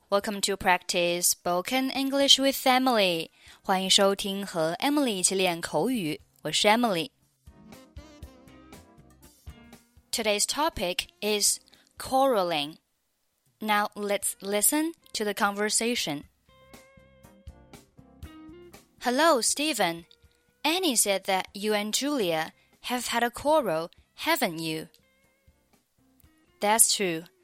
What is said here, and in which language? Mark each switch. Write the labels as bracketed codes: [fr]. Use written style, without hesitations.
[en] Welcome to practice spoken English with Emily. [zh] 欢迎收听和 Emily 一起练口语。我是 Emily. [en] Today's topic is quarreling. Now let's listen to the conversation. Hello, Stephen. Annie said that you and Julia have had a quarrel, haven't you? That's true.